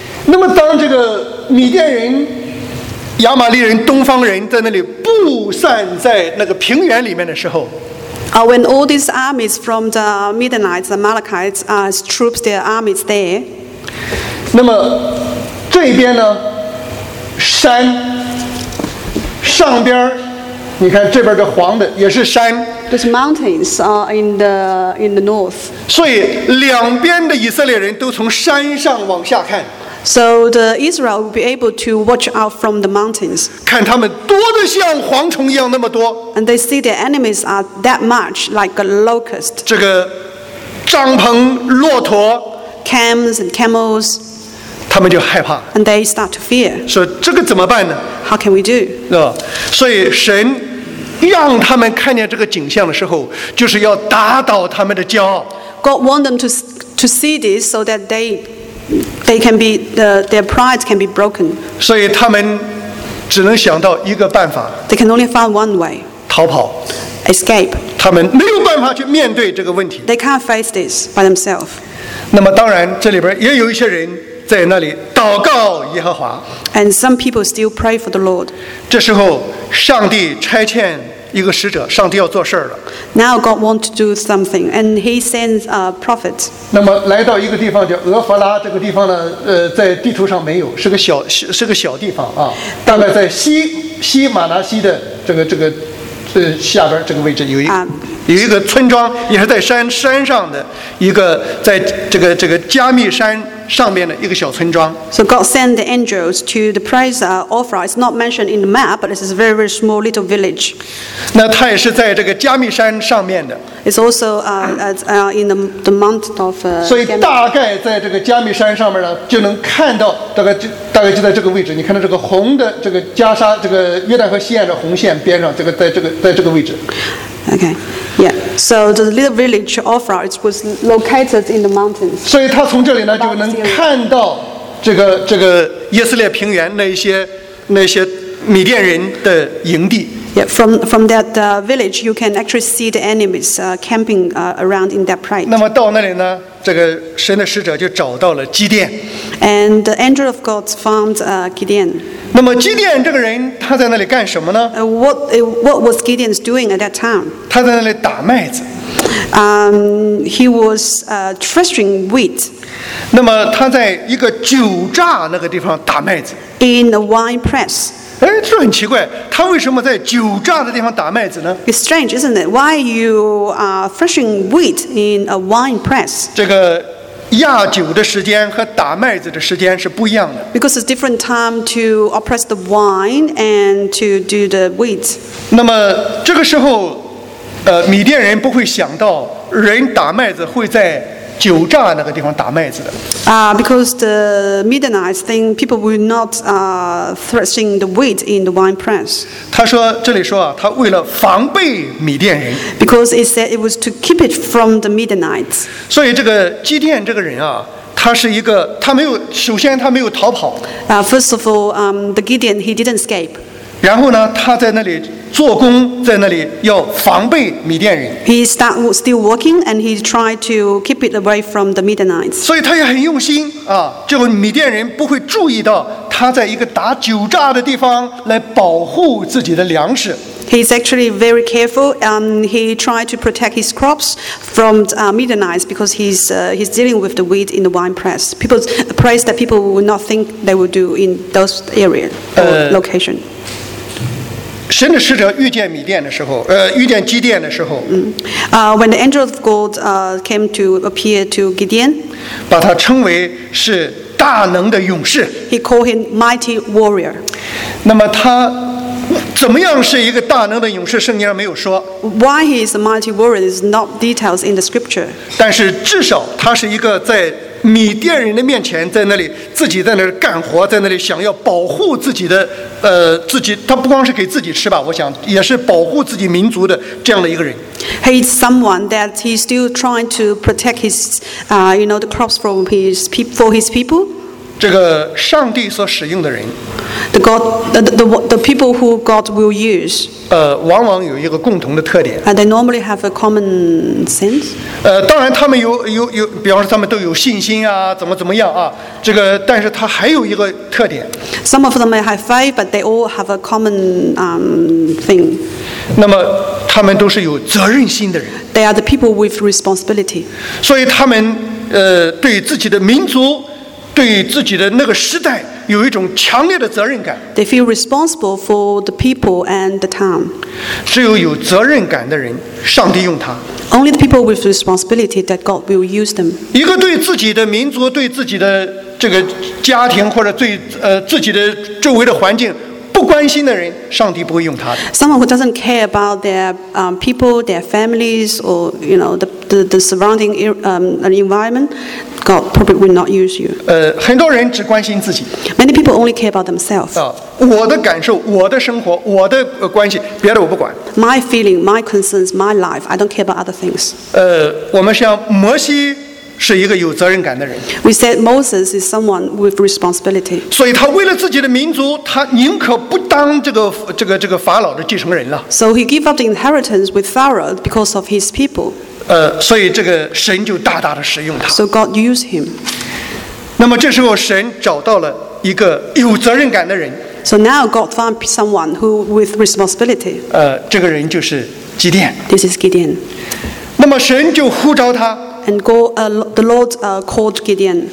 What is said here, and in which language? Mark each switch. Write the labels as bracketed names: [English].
[Chinese] 那么当这个米甸人、亚玛利人、东方人在那里布散在那个平原里面的时候。 [English] When all these armies from the Midianites, the Amalekites, troops, their armies there. [Chinese] 那么这边呢，山上边，你看这边的黄的也是山。 [English] There's mountains in the north. [Chinese] 所以两边的以色列人都从山上往下看。 [English] So the Israel will be able to watch out from the mountains. [Chinese] 看他们多得像蝗虫一样那么多。 [English] And they see their enemies are that much like a locust. [Chinese] 这个帐篷、骆驼。 [English] Camels and camels. [Chinese] 他们就害怕。 [English] And they start to fear. [Chinese] 说这个怎么办呢？ [English] How can we do? [Chinese] 所以神让他们看见这个景象的时候，就是要打倒他们的骄傲。 [English] God wants them to see this so that they can be their pride can be broken. [Chinese] 所以他们只能想到一个办法。 [English] They can only find one way. [Chinese] 逃跑。 [English] Escape. [Chinese] 他们没有办法去面对这个问题。 [English] They can't face this by themselves. [Chinese] 那么当然，这里边也有一些人在那里祷告耶和华。 [English] And some people still pray for the Lord. [Chinese] 这时候，上帝差遣一个使者，上帝要做事了。 [English] Now God wants to do something, and He sends a prophet. [Chinese] 那么来到一个地方叫俄弗拉，这个地方呢，在地图上没有，是个小地方啊，大概在西马拿西的这个下边这个位置有一个。有一个村庄，也是在山上的一个，在这个加密山上面的一个小村庄。 [English] So God sent the angels to the place Ophrah. It's not mentioned in the map, but it's a very very small little village. [Chinese] 那它也是在这个加密山上面的。 [English] It's also in the mountain of. [Chinese] 所以大概在这个加密山上面呢，就能看到大概就在这个位置。你看到这个红的这个加沙，这个约旦河西岸的红线边上，这个在这个位置。 [English] Okay. Yeah. So the little village Ophrah was located in the mountains. [Chinese] 所以他从这里呢就能看到这个耶斯列平原那些米甸人的营地。 [English] Yeah. From that village, you can actually see the enemies camping around in that place. [Chinese] 那么到那里呢，这个神的使者就找到了基甸。 [English] And the angel of God found Gideon. [Chinese] 那么基甸这个人他在那里干什么呢？ [English] What was Gideon doing at that time? [Chinese] 他在那里打麦子。 [English] He was threshing wheat. [Chinese] 那么他在一个酒榨那个地方打麦子。 [English] In a wine press. [Chinese] 哎，这很奇怪，他为什么在酒榨的地方打麦子呢？ [English] It's strange, isn't it? Why you are threshing wheat in a wine press? [Chinese] 这个压酒的时间和打麦子的时间是不一样的。 [English] Because it's different time to oppress the wine and to do the wheat. [Chinese] 那么这个时候，米甸人不会想到人打麦子会在酒榨那个地方打麦子的。 [English] Because the Midianites think people will not threshing the wheat in the wine press. [Chinese] 他说这里说啊，他为了防备米甸人。 [English] Because it said it was to keep it from the Midianites. [Chinese] 所以这个基甸这个人啊，他是一个，他没有，首先他没有逃跑。 [English] First of all, the Gideon he didn't escape. [Chinese] 然后呢，他在那里做工，在那里要防备米甸人。 [English] He started still working and he tried to keep it away from the Midianites. [Chinese] 所以他也很用心啊，就米甸人不会注意到他在一个打酒榨的地方来保护自己的粮食。 [English] He's actually very careful. He tried to protect his crops from Midianites because he's dealing with the wheat in the wine press. People's price that people would not think they would do in those area location. [Chinese] 神的使者遇见米甸的时候，遇见基甸的时候， [English] When the angel of God came to appear to Gideon, [Chinese] 把他称为是大能的勇士。 [English] He called him mighty warrior. [Chinese] 那么他。怎么样是一个大能的勇士？圣经上没有说。 [English] Why he is a mighty warrior is not details in the scripture. [Chinese] 但是至少他是一个在米甸人的面前，在那里自己在那里干活，在那里想要保护自己的自己。他不光是给自己吃吧，我想也是保护自己民族的这样的一个人。 [English] He is someone that he is still trying to protect his, you know, the crops from his for his people. [Chinese] 这个上帝所使用的人 [English] the people who God will use [Chinese] 往往有一个共同的特点 [English] and they normally have a common sense [Chinese] 当然他们有比方说他们都有信心啊怎么怎么样啊这个但是他还有一个特点 [English] some of them may have faith but they all have a common thing [Chinese] 那么他们都是有责任心的人 [English] they are the people with responsibility [Chinese] 所以他们对自己的民族对自己的那个时代有一种强烈的责任感。 [English] They feel responsible for the people and the town. [Chinese] 只有有责任感的人，上帝用他。 [English] Only the people with responsibility that God will use them. [Chinese] 一个对自己的民族、对自己的这个家庭或者对自己的周围的环境不关心的人，上帝不会用他的。 [English] Someone who doesn't care about their people, their families, or you know the surrounding environment. God probably will not use you. [Chinese] 很多人只关心自己。 [English] Many people only care about themselves. [Chinese] 我的感受，我的生活，我的关系，别的我不管。 [English] My feeling, my concerns, my life, I don't care about other things. [Chinese] 我们像摩西是一个有责任感的人。 [English] We said Moses is someone with responsibility. [Chinese] 所以他为了自己的民族，他宁可不当这个法老的继承人了。 [English] So he gave up the inheritance with Pharaoh because of his people. [Chinese] 所以这个神就大大的使用他。 [English] So God used him. [Chinese] 那么这时候神找到了一个有责任感的人。 [English] So now God found someone who with responsibility. [Chinese] 这个人就是基甸。 [English] This is Gideon. [Chinese] 那么神就呼召他。 [English] And the Lord called Gideon.